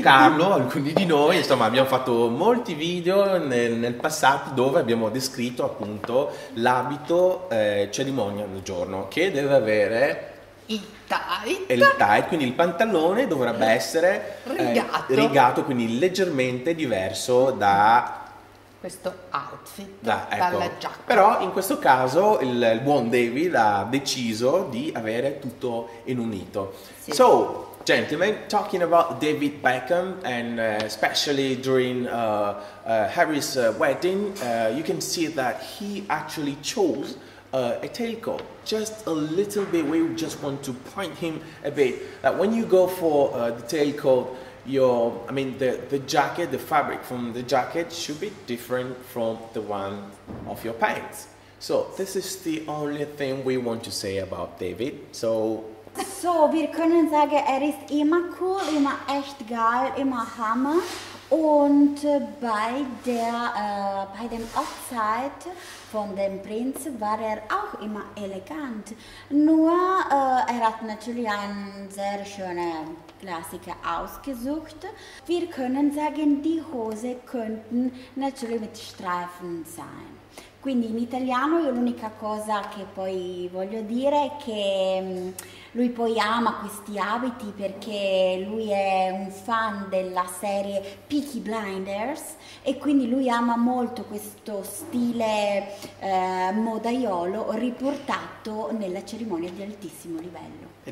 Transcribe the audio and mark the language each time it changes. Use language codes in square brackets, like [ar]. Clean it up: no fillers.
[it] Carlo, alcuni di noi, insomma, abbiamo fatto molti video nel passato dove abbiamo descritto appunto l'abito cerimonia del giorno, che deve avere il tight, quindi il pantalone dovrebbe essere rigato, quindi leggermente diverso Questo outfit da dalla ecco. giacca. Però in questo caso il buon David ha deciso di avere tutto in unito. [en] So, gentlemen, talking about David Beckham and especially during Harry's wedding, you can see that he actually chose a tailcoat. Just a little bit. We just want to point him a bit that when you go for the tailcoat, I mean the jacket, the fabric from the jacket should be different from the one of your pants. So this is the only thing we want to say about David. So [de] So, wir können sagen, ist immer cool, immer echt geil, immer Hammer. Und bei der Hochzeit von dem Prinz war er auch immer elegant. Nur er hat natürlich einen sehr schönen Klassiker ausgesucht. Wir können sagen, die Hose könnten natürlich mit Streifen sein. [it] Quindi in italiano io l'unica cosa che poi voglio dire è che lui poi ama questi abiti perché lui è un fan della serie Peaky Blinders e quindi lui ama molto questo stile modaiolo riportato nella cerimonia di altissimo livello.